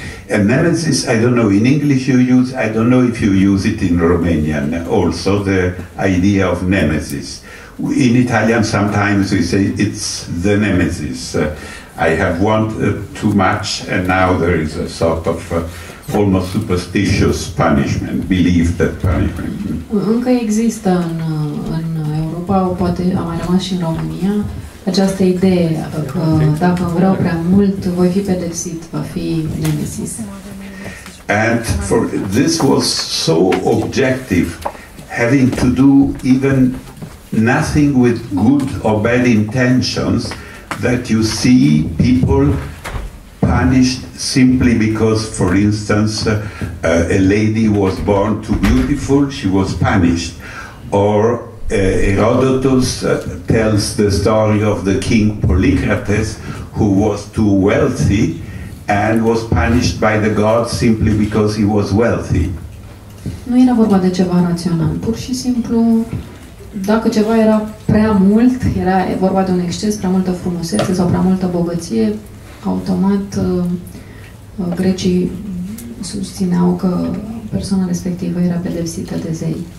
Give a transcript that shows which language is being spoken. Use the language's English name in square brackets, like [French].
[English] And nemesis, I don't know, in English you use, I don't know if you use it in Romanian also, the idea of nemesis. In Italian sometimes we say it's the nemesis. I have wanted too much and now there is a sort of almost superstitious punishment, believed that punishment. [Romanian] Încă există în Europa, poate a mai rămas și în România, această idee că dacă vreau prea mult, voi fi pedepsit, va fi nemesis. [English] And for this was so objective, having to do even nothing with good or bad intentions, that you see people punished simply because, for instance, a lady was born too beautiful, she was punished. Or Herodotus tells the story of the king Polycrates, who was too wealthy and was punished by the gods simply because he was wealthy. [Romanian] Nu era vorba de ceva rațional. Pur și simplu, dacă ceva era prea mult, era vorba de un exces, prea multă frumusețe sau prea multă bogăție, automat grecii susțineau că persoana respectivă era pedepsită de zei.